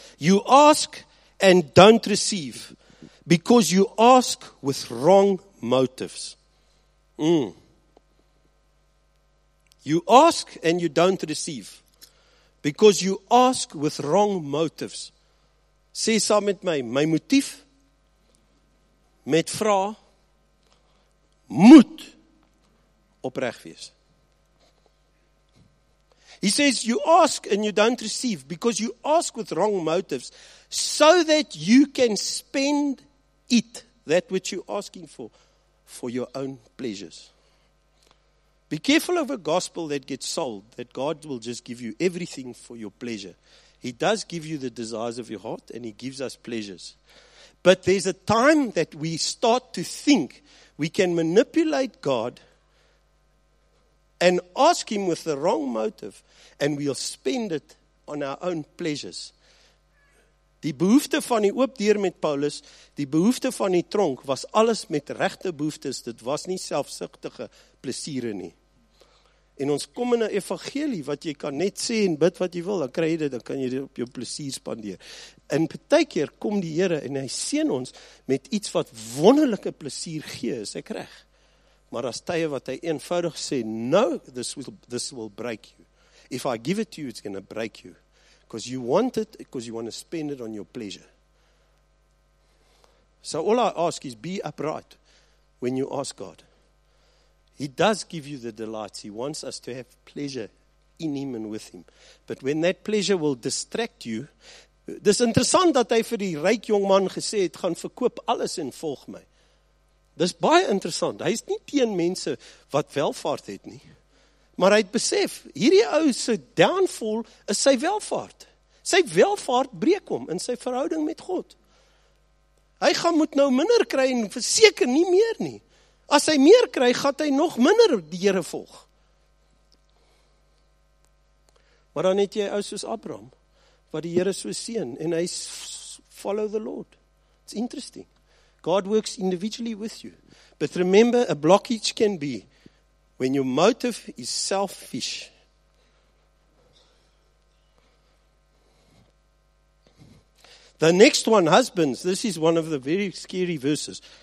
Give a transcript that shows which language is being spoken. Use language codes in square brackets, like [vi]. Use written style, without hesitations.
[en] You ask and don't receive because you ask with wrong motives. You ask and you don't receive because you ask with wrong motives. [af] Sê saam met my, my motief met vra moet opreg wees. [en] He says, you ask and you don't receive because you ask with wrong motives so that you can spend it, that which you're asking for your own pleasures. Be careful of a gospel that gets sold, that God will just give you everything for your pleasure. He does give you the desires of your heart and he gives us pleasures. But there's a time that we start to think we can manipulate God and ask him with the wrong motive, and we'll spend it on our own pleasures. [af] Die behoefte van die oopdeur met Paulus, die behoefte van die tronk, was alles met regte behoeftes, dit was nie selfsugtige plesiere nie. En ons kom in 'n evangelie, wat jy kan net sê en bid wat jy wil, dan kry jy dit, dan kan jy dit op jou plesier spandeer. En baie keer kom die Here en hy seën ons met iets wat wonderlike plesier gee, is ek reg? Maar as tye wat hy eenvoudig sê, no, this will break you. [en] If I give it to you, it's going to break you. Because you want it, because you want to spend it on your pleasure. So all I ask is be upright when you ask God. He does give you the delights. He wants us to have pleasure in him and with him. [af] But when that pleasure will distract you, dis interessant dat hy vir die ryk jong man gesê het, gaan verkoop alles en volg my. Dis baie interessant. Hy is nie teen mense wat welvaart het nie. Maar hy het besef, hierdie ou se downfall is sy welvaart. Sy welvaart breek hom in sy verhouding met God. Hy gaan moet nou minder kry en verseker nie meer nie. As hy meer kry, gaan hy nog minder die Here volg. Maar dan het jy ou soos Abraham, wat die Here so seën en hy follow the Lord. [en] It's interesting. God works individually with you. But remember, a blockage can be when your motive is selfish. The next one, husbands, this is one of the very scary verses.